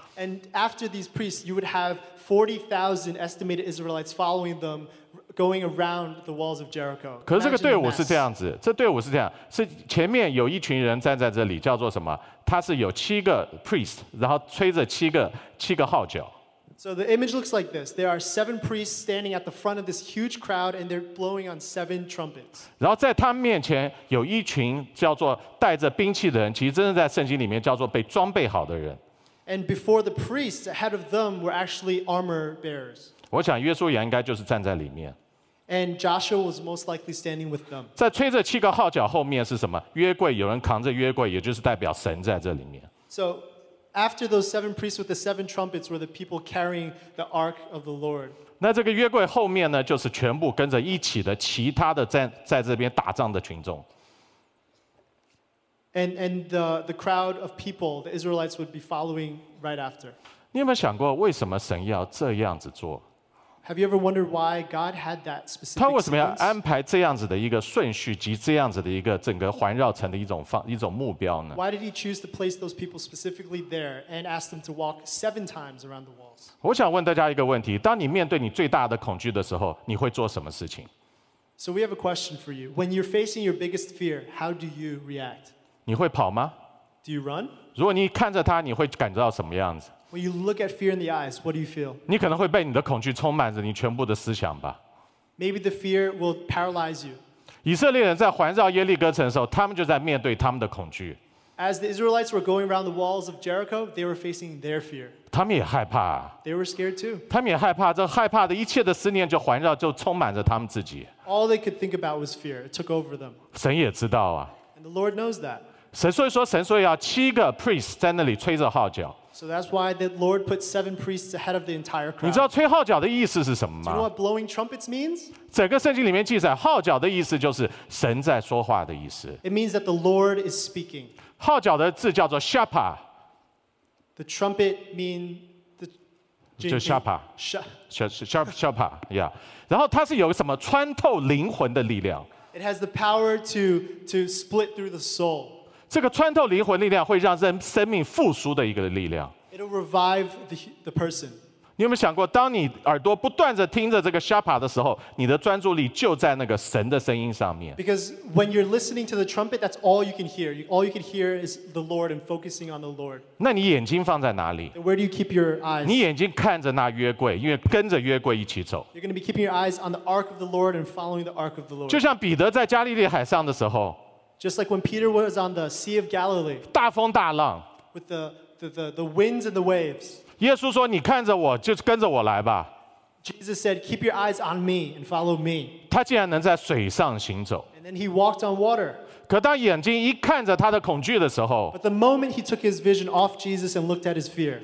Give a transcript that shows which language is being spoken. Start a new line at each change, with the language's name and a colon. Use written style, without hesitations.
English: And after these priests, you would have 40,000 estimated Israelites following them, going around the walls of Jericho.
Chinese: 可是这个队伍是这样子，这队伍是这样，是前面有一群人站在这里，叫做什么？他是有七个 priests， 然后吹着七个号角。
English: So the image looks like this: there are seven priests standing at the front of this huge crowd, and they're blowing on seven trumpets.
Chinese: 然后在他们面前有一群叫做带着兵器的人，其实真正在圣经里面叫做被装备好的人。
English: And before the priests, ahead of them were actually armor bearers.
Chinese: 我想约书亚应该就是站在里面。
English: And Joshua was most likely standing with them.
Chinese: 在吹着七个号角后面是什么？约柜，有人扛着约柜，也就是代表神在这里面。
English: So after those seven priests with the seven trumpets were the people carrying the ark of the Lord.
Chinese: 那这个约柜后面呢，就是全部跟着一起的其他的在这边打仗的群众。
English: And the crowd of people, the Israelites would be following right after.
Chinese: 你有没有想过为什么神要这样子做
English: ？Have you ever wondered why God had that specific?
Chinese: 他为什么要安排这样子的一个顺序及这样子的一个整个环绕城的一种目标呢
English: ？Why did he choose to place those people specifically there and ask them to walk seven times around the walls?
Chinese: 我想问大家一个问题：当你面对你最大的恐惧的时候，你会做什么事情
English: ？So we have a question for you. When you're facing your biggest fear, how do you react?
Chinese: 你会跑吗
English: ？Do you run？
Chinese: 如果你看着他，你会感觉到什么样子
English: ？When you look at fear in the eyes, what do you feel？
Chinese: 你可能会被你的恐惧充满着你全部的思想吧。
English: Maybe the fear will paralyze you。
Chinese: 以色列人在环绕耶利哥城的时候，他们就在面对他们的恐惧。
English: As the Israelites were going around the walls of Jericho, they were facing their fear.
Chinese: 他们也害怕。
English: They were scared too.
Chinese: 他们也害怕，这害怕的一切的思念就环绕，就充满着他们自己。
English: All they could think about was fear. It took over them.
Chinese: 神也知道啊。
English: And the Lord knows that.
Chinese: 神所以说，神说要七个 priest 在那里吹着号角。
English: So that's why the Lord put seven priests ahead of the entire crowd.
Chinese: 你知道吹号角的意思是什么吗？
English: Do you know what blowing trumpets means?
Chinese: 整个圣经里面记载，号角的意思就是神在说话的意思。
English: It means that the Lord is speaking.
Chinese: 号角的字叫做 shapa。
English: The trumpet means the.
Chinese: 就 shapa。shapa yeah. 然后它是有什么穿透灵魂的力量
English: ？It has the power to split through the soul.
Chinese: 这个穿透灵魂力量会让人生命复苏的一个力量。
English: It'll revive the person.
Chinese: 你有没有想过，当你耳朵不断的听着这个 shapa 的时候，你的专注力就在那个神的声音上面
English: ？Because when you're listening to the trumpet, that's all you can hear. All you can hear is the Lord and focusing on the Lord.
Chinese: 那你眼睛放在哪里
English: ？Where do you keep your eyes?
Chinese: 你眼睛看着那约柜，因为跟着约柜一起走。
English: You're going to be keeping your eyes on the ark of the Lord and following the ark of the Lord.
Chinese: 就像彼得在加利利海上的时候。
English: Just like when Peter was on the Sea of Galilee,
Chinese: 大风大浪
English: with the winds and the waves.
Chinese: 耶稣说：“你看着我，就跟着我来吧。”
English: Jesus said, "Keep your eyes on me and follow me."
Chinese: 他竟然能在水上行走
English: and then he walked on water.
Chinese: 可当眼睛一看着他的恐惧的时候
English: but the moment he took his vision off Jesus and looked at his fear,